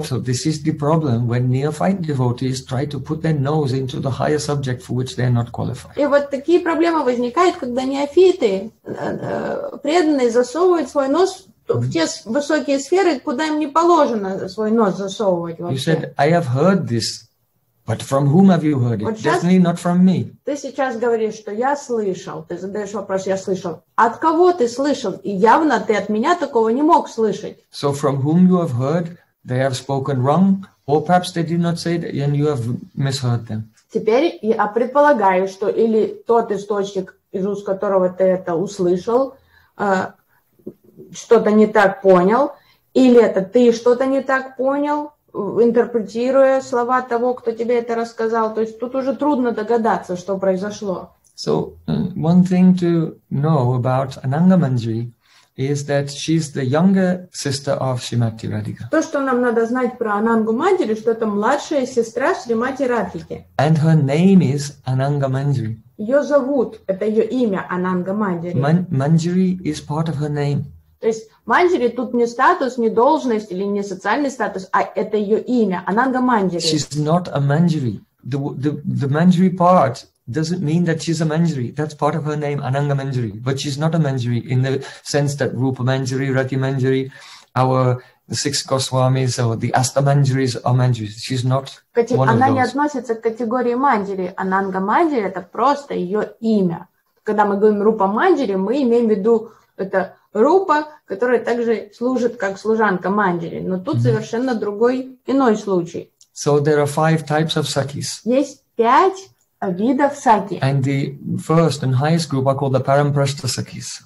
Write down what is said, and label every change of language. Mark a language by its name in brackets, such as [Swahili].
[English] So this is the problem when neophyte devotees try to put their nose into the higher subject for which they are not qualified. [Russian] И вот такие проблемы возникают, когда неофиты, преданные, засовывают свой нос в те высокие сферы, куда им не положено свой нос засовывать вообще. [English] You said, I have heard this, but from whom have you heard it? [Russian] Вот сейчас, [English] definitely not from me. [Russian] Ты сейчас говоришь, что я слышал. Ты задаешь вопрос, я слышал. От кого ты слышал? И явно ты от меня такого не мог слышать. [English] So from whom you have heard, they have spoken wrong, or perhaps they did not say it, and you have misheard them. [Russian] Теперь я предполагаю, что или тот источник, из уст которого ты это услышал, что-то не так понял, или это ты что-то не так понял, интерпретируя слова того, кто тебе это рассказал. То есть тут уже трудно догадаться, что произошло. [English] So, one thing to know about Ananga Manjari is that she's the younger sister of Shrimati Radhika. [Russian] То, что нам надо знать про Анангу Манджари, что это младшая сестра Шримати Радхики. [English] And her name is Ananga Manjari. [Russian] Ее зовут, это ее имя, Ананга Манджари. [English] Манджари is part of her name. [Russian] То есть Манджари тут не статус, не должность или не социальный статус, а это ее имя, Ананга Манджари. [English] She's not a Манджари. The Манджари part doesn't mean that she's a Manjari. That's part of her name, Ananga Manjari. But she's not a Manjari in the sense that Rupa Manjari, Rati Manjari, our six Goswamis or the Asta Manjaris are Manjaris. She's not one [Russian] она [English] of those. [Russian] Не относится к категории Манджари. Ананга Манджари — это просто ее имя. Когда мы говорим Рупа Манджари, мы имеем в виду это Рупа, которая также служит как служанка Манджари. Но тут совершенно другой, иной случай. [English] So there are five types of Sakis. [Russian] Есть пять видов саки. [English] And the first and highest group are called the Parampraśta Sakis.